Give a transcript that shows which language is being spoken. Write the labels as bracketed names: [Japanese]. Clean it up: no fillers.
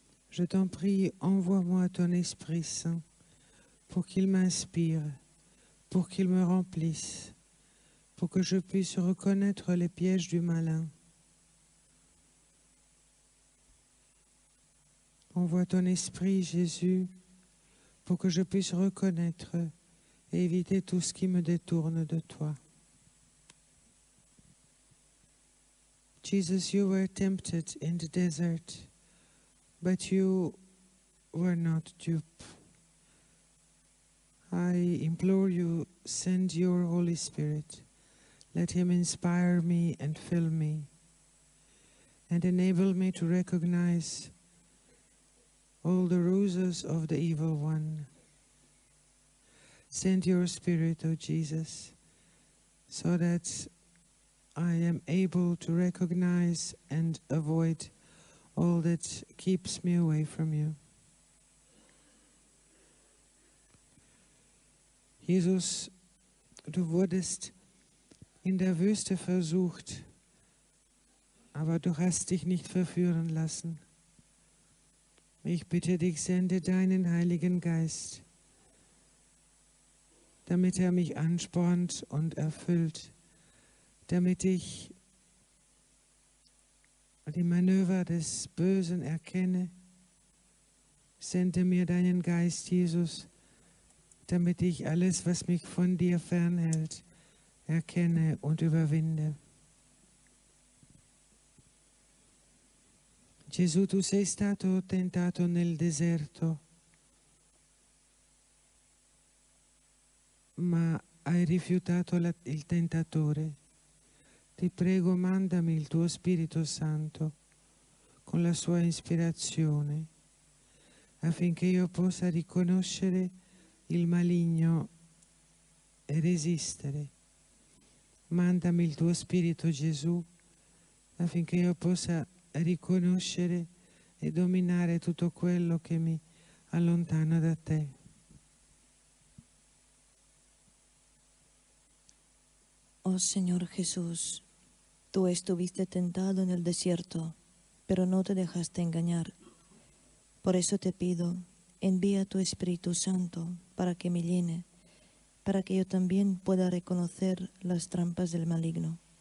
[French] Je t'en prie, envoie-moi ton Esprit Saint pour qu'il m'inspire, pour qu'il me remplisse, pour que je puisse reconnaître les pièges du malin. Envoie ton Esprit, Jésus, pour que je puisse reconnaître et éviter tout ce qui me détourne de toi. [English] Jesus, you were tempted in the desert, but you were not duped. I implore you, send your Holy Spirit. Let him inspire me and fill me, and enable me to recognize all the ruses of the evil one. Send your Spirit, O Jesus, so that I am able to recognize and avoid all that keeps me away from you. [German] Jesus, du wurdest in der Wüste versucht, aber du hast dich nicht verführen lassen. Ich bitte dich, sende deinen Heiligen Geist, damit er mich anspornt und erfüllt, damit ich die Manöver des Bösen erkenne. Sende mir deinen Geist, Jesus, damit ich alles, was mich von dir fernhält, erkenne und überwinde. [Italian] Gesù, tu sei stato tentato nel deserto, ma hai rifiutato il tentatore. Ti prego, mandami il tuo Spirito Santo con la sua ispirazione, affinché io possa riconoscere il maligno e resistere. Mandami il tuo Spirito, Gesù, affinché io possa riconoscere e dominare tutto quello che mi allontana da te. [Spanish] Oh Señor Jesús, tú estuviste tentado en el desierto, pero no te dejaste engañar. Por eso te pido, envía tu Espíritu Santo para que me llene, para que yo también pueda reconocer las trampas del maligno.